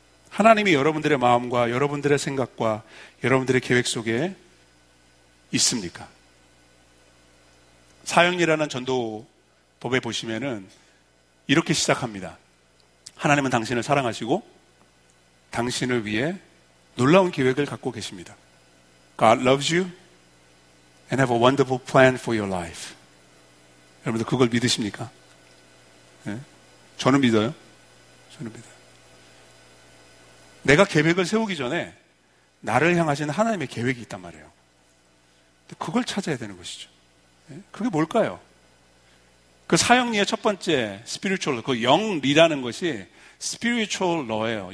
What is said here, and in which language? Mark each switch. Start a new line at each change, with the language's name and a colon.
Korean: 하나님이 여러분들의 마음과 여러분들의 생각과 여러분들의 계획 속에 있습니까? 사형리라는 전도법에 보시면은 이렇게 시작합니다. 하나님은 당신을 사랑하시고 당신을 위해 놀라운 계획을 갖고 계십니다.
English: God loves you and have a wonderful plan for your life.
Korean: 여러분들 그걸 믿으십니까? 네? 저는 믿어요. 저는 믿어요. 내가 계획을 세우기 전에 나를 향하신 하나님의 계획이 있단 말이에요. 그걸 찾아야 되는 것이죠. 그게 뭘까요? 그 사형리의 첫 번째 스피리추얼 그 영리라는 것이 스피리추얼 러예요.